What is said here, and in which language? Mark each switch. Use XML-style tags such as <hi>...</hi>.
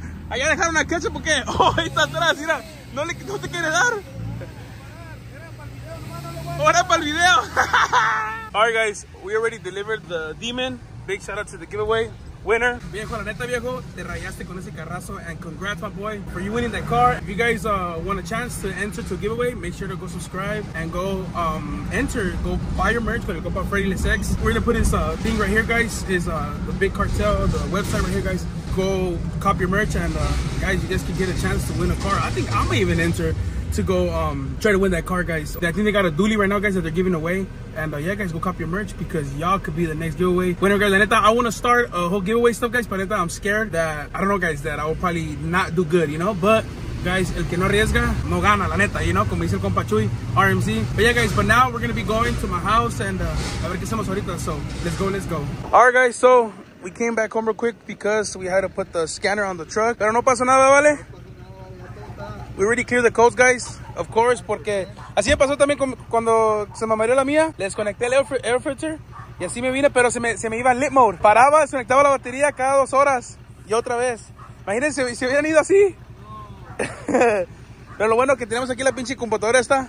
<es>¿Allá dejaron la ketchup porque ahí está atrás, mira. ¿No te quiere dar? Ahora para el video.</es> <en>Alright, guys, we already delivered the demon. Big shout out to the giveaway winner.</en> <es>Viejo, la neta, viejo, te rayaste con ese carrazo.</es> <en>And congrats, my boy, for you winning that car. If you guys want a chance to enter to a giveaway, make sure to go subscribe and go enter. Go buy your merch for the Copa Freddy Lesex. We're going to put this thing right here, guys. Is the Big Cartel, the website right here, guys. Go cop your merch and guys, you guys can get a chance to win a car. I think I'm gonna even enter to go try to win that car, guys. I think they got a dually right now, guys, that they're giving away. And yeah, guys, go cop your merch because y'all could be the next giveaway winner, guys.</en> <es>La neta,</es> <en>I want to start a whole giveaway stuff, guys, but I'm scared that I don't know, guys, that I will probably not do good, you know. But guys,</en> <es>el que no arriesga no gana, la neta,</es> <en>you know,</en> <es>como dice el compa Chuy, RMZ.</es> <en>But yeah, guys, but now we're gonna be going to my house and</en> <es>a ver qué hacemos ahorita.</es> <en>So let's go. All right, guys, so we came back home real quick because we had to put the scanner on the truck.</en> <es>Pero no pasa nada, ¿vale?</es> <en>We already cleared the codes, guys. Of course,</en> <es>porque así me pasó también cuando se me mareó la mía. Le desconecté el air filter y así me vine, pero se me iba en lit mode. Paraba, desconectaba la batería cada dos horas y otra vez. Imagínense, si hubieran ido así. Pero lo bueno que tenemos aquí la pinche computadora esta.</es>